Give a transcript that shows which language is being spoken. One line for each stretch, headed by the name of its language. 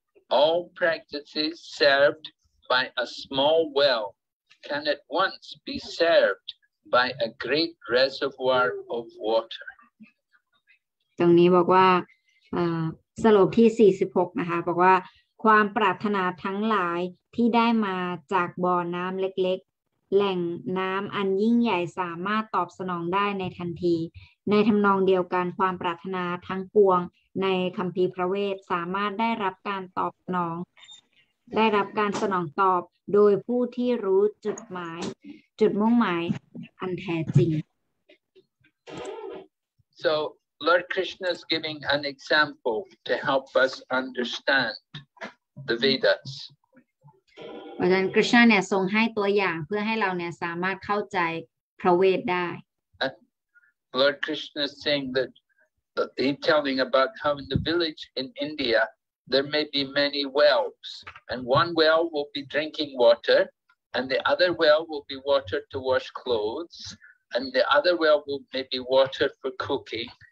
English: All practices served by a small well can at once be served by a great reservoir of water.
Thai: ตรงนี้บอกว่า สรุปที่ 46 นะคะบอกว่าความปรารถนาทั้งหลายที่ได้มาจากบ่อน้ำเล็กๆแหล่งน้ำอันยิ่งใหญ่สามารถตอบสนองได้ในทันทีในทำนองเดียวกันความปรารถนาทั้งปวงในคัมภีร์พระเวทสามารถได้รับการตอบสนองได้รับการสนองตอบโดยผู้ที่รู้จุดหมายอันแท้จริง
English: Lord Krishna's giving an example to help us understand the Vedas.
Thai: เนี่ยทรงให้ตัวอย่างเพื่อให้เราเนี่ยสามารถเข้าใจพระเวทได้
English: Lord Krishna is saying that he's telling about how in the village in India there may be many wells and one well will be drinking water and the other well will be water to wash clothes and the other well will maybe water for cooking.